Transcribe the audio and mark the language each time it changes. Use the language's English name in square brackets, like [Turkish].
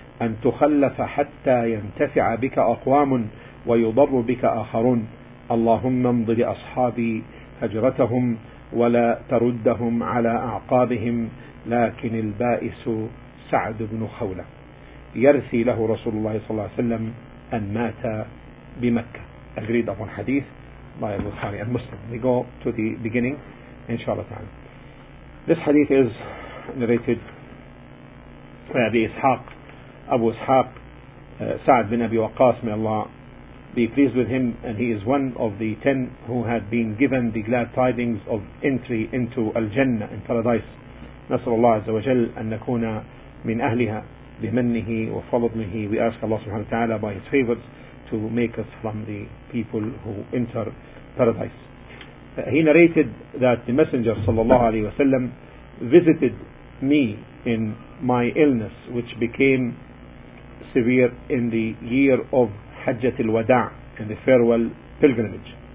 [Arabic] أن تخلف حتى ينتفع بك أقوام ويضر بك آخرون اللهم امض لأصحابي هجرتهم ولا تردهم على أعقابهم لكن البائس سعد بن خولة يرثي له رسول الله صلى الله عليه وسلم أن مات بمكة. [English] Agreed upon hadith by Bukhari and Muslim. We go to the beginning inshallah ta'ala. This hadith is narrated by Abi Ishaq, Abu Ishaq, Sa'd bin Abi Waqqas, may Allah be pleased with him, and he is one of the 10 who had been given the glad tidings of entry into Al-Jannah, in Paradise. [Arabic] نسأل الله عز وجل أن نكون من أهلها بمنه وفضله. [English] We ask Allah subhanahu wa ta'ala by his favors to make us from the people who enter Paradise. He narrated that the Messenger sallallahu alayhi wasallam visited me in my illness, which became severe in the year of Hajjat al-Wada', in the farewell pilgrimage.